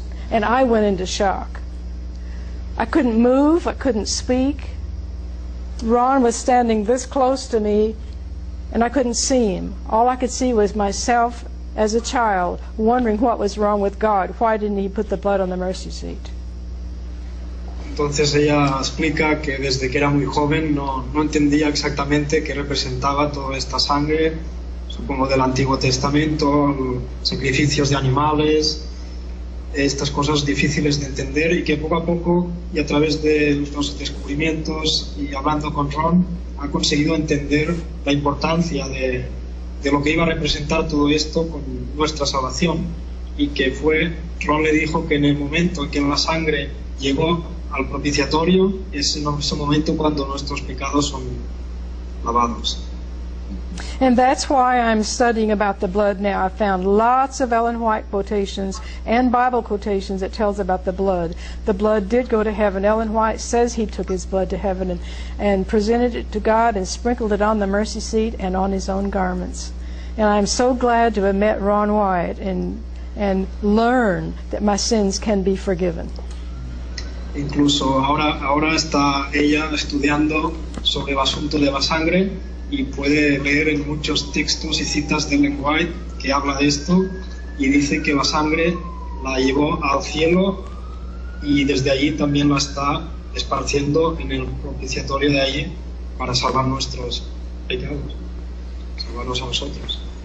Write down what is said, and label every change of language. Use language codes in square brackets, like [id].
[en] And I went into shock. I couldn't move. I couldn't speak. Ron was standing this close to me, and I couldn't see him. All I could see was myself as a child wondering what was wrong with God. Why didn't he put the blood on the mercy seat? [es] Entonces ella explica que desde que era muy joven no entendía exactamente qué representaba toda esta sangre, supongo del Antiguo Testamento, sacrificios de animales, estas cosas difíciles de entender, y que poco a poco, y a través de los descubrimientos y hablando con Ron, ha conseguido entender la importancia de lo que iba a representar todo esto con nuestra salvación. Y que fue, Ron le dijo que en el momento en que la sangre llegó al propiciatorio, es en ese momento cuando nuestros pecados son lavados. [en] And that's why I'm studying about the blood now. I found lots of Ellen White quotations and Bible quotations that tells about the blood. The blood did go to heaven. Ellen White says he took his blood to heaven and presented it to God and sprinkled it on the mercy seat and on his own garments. And I'm so glad to have met Ron White and learn that my sins can be forgiven. [es] Incluso ahora está ella estudiando sobre el asunto de la sangre. Y puede leer en muchos textos y citas de Ellen White que habla de esto y dice que la sangre la llevó al cielo y desde allí también la está esparciendo en el propiciatorio de allí para salvar nuestros pecados, salvarnos a nosotros.